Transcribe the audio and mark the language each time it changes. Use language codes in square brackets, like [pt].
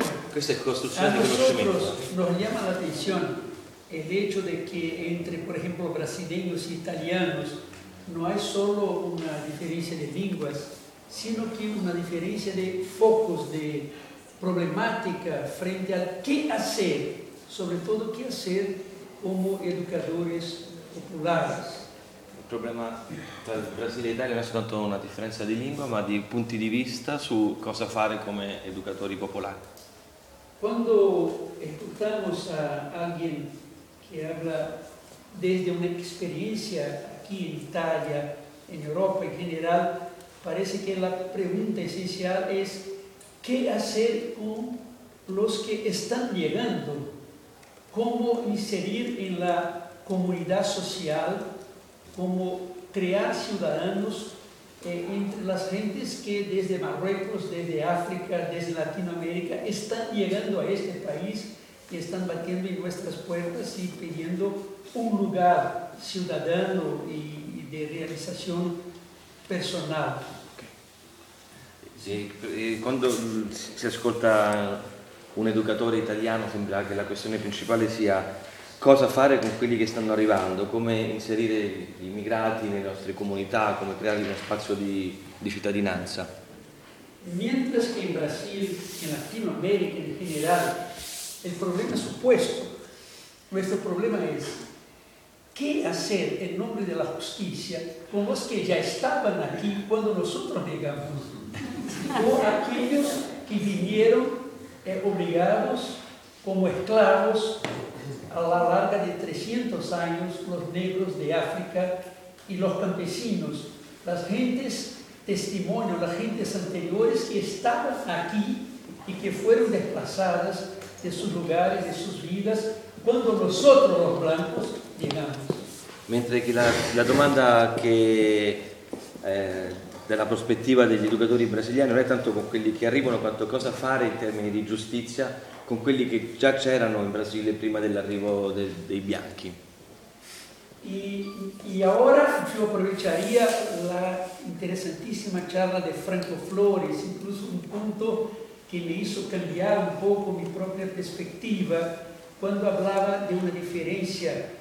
[it] Questa è costruzione di conoscimento. [es] Nos llama la atención el hecho de que entre, por ejemplo, brasileños e italianos no hay solo una diferencia de lenguas, sino que una diferencia de focos de problemática frente al qué hacer, sobre todo qué hacer como educadores populares. [it] El problema tra Brasile e Italia non è soltanto una differenza di lingua, ma di punti di vista su cosa fare come educatori popolari. [es] Quando escuchamos a alguien que habla desde una experiencia aquí en Italia, en Europa en general, parece que la pregunta esencial es ¿qué hacer con los que están llegando? ¿Cómo inserir en la comunidad social? ¿Cómo crear ciudadanos entre las gentes que desde Marruecos, desde África, desde Latinoamérica, están llegando a este país y están batiendo en nuestras puertas y pidiendo un lugar ciudadano y de realización personal? [it] Sì, quando si ascolta un educatore italiano sembra che la questione principale sia cosa fare con quelli che stanno arrivando, come inserire gli immigrati nelle nostre comunità, come creare uno spazio di cittadinanza. Mentre che in Brasile, in Latino America in generale, il problema è supposto, questo problema è che fare in nome della giustizia con los che già stavano qui quando [es] nosotros llegamos. O aquellos que vinieron obligados como esclavos a la larga de 300 años, los negros de África y los campesinos, las gentes testimonio, las gentes anteriores que estaban aquí y que fueron desplazadas de sus lugares, de sus vidas, cuando nosotros los blancos llegamos. Mientras que la demanda que... [it] dalla prospettiva degli educatori brasiliani non è tanto con quelli che arrivano quanto cosa fare in termini di giustizia con quelli che già c'erano in Brasile prima dell'arrivo dei bianchi. E ora io approfittaria la interessantissima charla di Franco Flores, incluso un punto che [es] mi hizo [it] cambiare un poco mi propria prospettiva quando parlava di una differenza